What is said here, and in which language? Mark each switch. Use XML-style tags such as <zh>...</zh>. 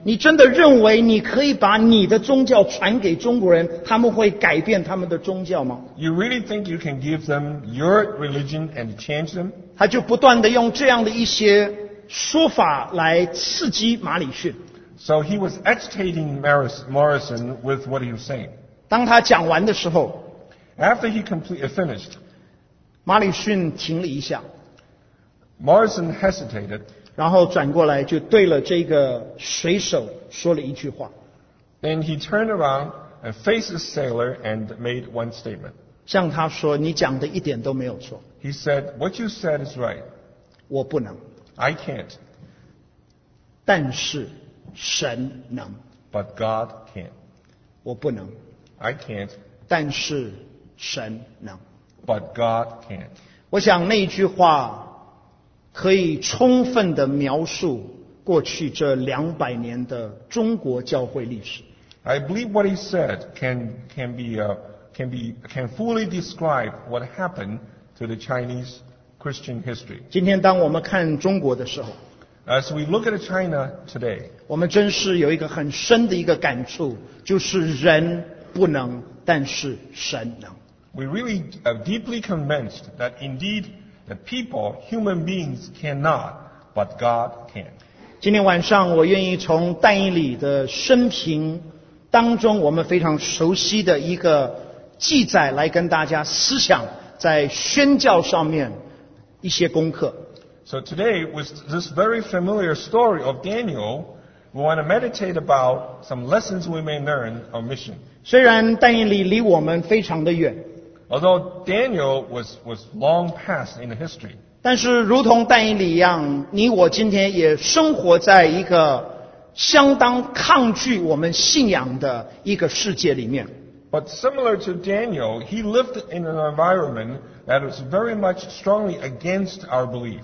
<zh>你真的认为你可以把你的宗教传给中国人，他们会改变他们的宗教吗？</zh> <en>You really think you can give them your religion and change them?</en> <zh>他就不断地用这样的一些说法来刺激马里逊。</zh> <en>So he was agitating Morrison with what he was saying.</en> <zh>当他讲完的时候，</zh> <en>After he completely finished,</en> <zh>马里逊停了一下。</zh> <en>Morrison hesitated.</en> <zh>然后转过来就对了这个水手说了一句话。</zh> <en>Then he turned around and faced the sailor and made one statement.</en> <zh>向他说你讲的一点都没有错。</zh> <en>He said, what you said is right.</en> <zh>我不能。</zh> <en>I can't.</en> <zh>但是神能。</zh> <en>But God can.</en> <zh>我不能。</zh> <en>I can't.</en> <zh>但是神能。</zh> <en>But God can.</en> <zh>我想那一句话可以充分地描述过去这200年的中国教会历史。</zh> <en>I believe what he said can fully describe what happened to the Chinese Christian history.</en> <zh>今天当我们看中国的时候，</zh> <en>As we look at China today,</en> <zh>我们真是有一个很深的一个感触，就是人不能，但是神能。</zh> <en>We really are deeply convinced that indeed,That people, human beings cannot, but God can.</en> <zh>今天晚上我愿意从但以理的生平当中我们非常熟悉的一个记载来跟大家思想在宣教上面一些功课。</zh> <en>So today, with this very familiar story of Daniel, we want to meditate about some lessons we may learn on mission.</en> <zh>虽然但以理离我们非常的远，</zh> <en>Although Daniel was long past in history.</en> <zh>但是如同但以理一样，你我今天也生活在一个相当抗拒我们信仰的一个世界里面。</zh> <en>But similar to Daniel, he lived in an environment that was very much strongly against our belief.</en>